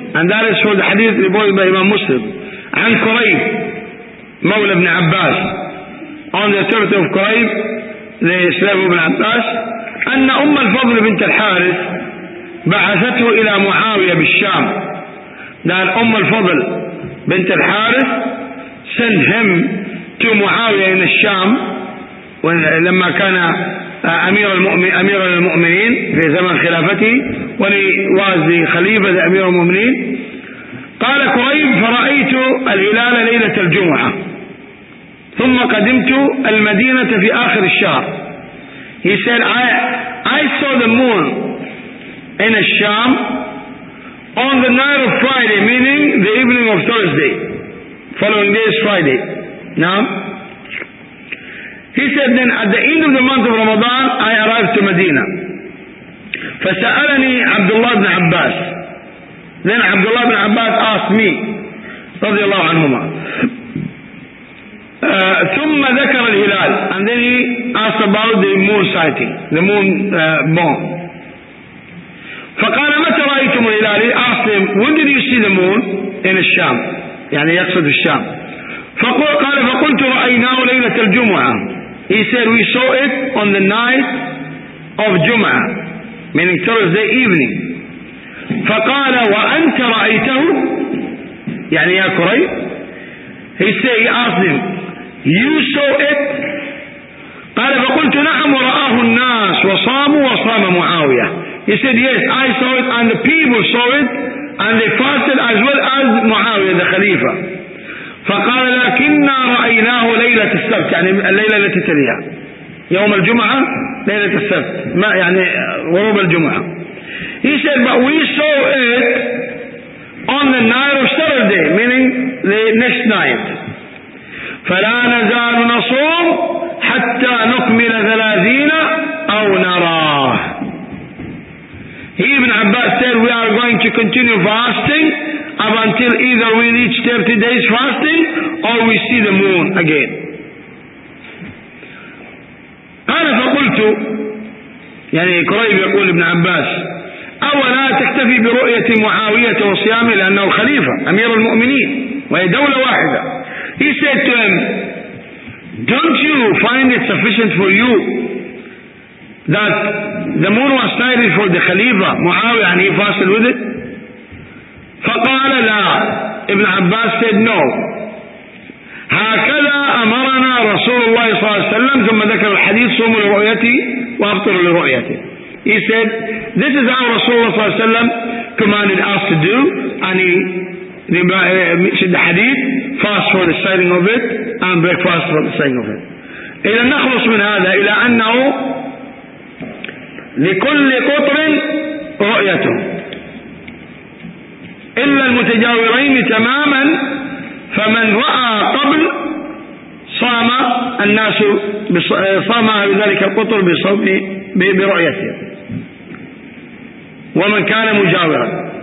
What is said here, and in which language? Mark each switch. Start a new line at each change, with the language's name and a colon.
English: And that is for the hadith reported by Imam Muslim.
Arabic: عن كريب مولى ابن عباس,
English: on the authority of
Arabic: قريب لإسلام ابن عباس, أن أم الفضل بنت الحارث بعثته إلى معاوية بالشام. قال أم الفضل بنت الحارث
English: send him to
Arabic: معاوية in الشام, لما كان أمير المؤمنين في زمن خلافته ولوازي خليفة أمير المؤمنين. قال كريب: فرأيت الهلال ليلة الجمعة، ثم قدمت المدينة في آخر الشهر.
English: He said I saw the moon in الشام on the night of Friday, meaning the evening of Thursday. Following day is Friday. Now, he said, then at the end of the month of Ramadan, I arrived to Medina.
Arabic: فسألني عبد الله بن عباس.
English: Then عبد الله بن عباس asked me,
Arabic: رضي الله عنهما. ثم ذكر الهلال.
English: And then he asked about the moon sighting, the moon born.
Arabic: فقال متى رأيتم الهلال؟
English: He asked him, when did you see the moon in الشام؟
Arabic: يعني يقصد الشام. فقال فقلت رأيناه ليلة الجمعة.
English: He said we saw it on the night of Jum'ah, meaning Thursday evening.
Arabic: فقال وأنت رأيته؟ يعني يا كريب.
English: He asked him, you saw it?
Arabic: قال فقلت نعم ورآه الناس وصاموا وصام معاوية.
English: He said, yes, I saw it and the people saw it and they fasted as well as Muawiyah, the Khalifa.
Arabic: فقال لكننا رأيناه ليلة السبت، يعني الليلة التي تليها يوم الجمعة ليلة السبت، ما يعني غروب الجمعة.
English: He said, but we saw it on the night of Saturday, meaning the next night.
Arabic: فلا نزال نصوم حتى نكمل 30 أو نراه.
English: He, Ibn Abbas, said we are going to continue fasting up until either we reach 30 days fasting or we see the moon again.
Arabic: قال فقلت، يعني قريب يقول ابن عباس، أولا تكتفي برؤية معاوية وصيامه لأنه خليفة أمير المؤمنين وهي دولة واحدة.
English: He said to him, don't you find it sufficient for you that the moon was sighted for the Khalifa Muawiyah and he fasted with it?
Arabic: فقال لا.
English: Ibn Abbas said no.
Arabic: هكذا أمرنا رسول الله صلى الله عليه وسلم. ثم ذكر الحديث صوم لرؤيته وأفطر لرؤيته.
English: He said this is how رسول الله صلى الله عليه وسلم commanded us to do. And he mentioned the hadith, fast for the sighting of it and breakfast for the sighting of it.
Arabic: إلى نخلص من هذا إلى أنه لكل قطر رؤيته إلا المتجاورين تماما، فمن رأى قبل صام الناس صام بذلك القطر برؤيته، ومن كان مجاورا.